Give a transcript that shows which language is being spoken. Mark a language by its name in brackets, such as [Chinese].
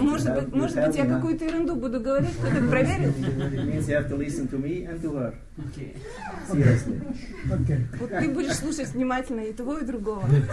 [Russian] Может быть, я какую-то ерунду буду говорить, кто-то проверит? [English] It means you have to listen to me and to her. Okay. Seriously. Okay. [Russian] Вот ты будешь слушать внимательно и того, и другого.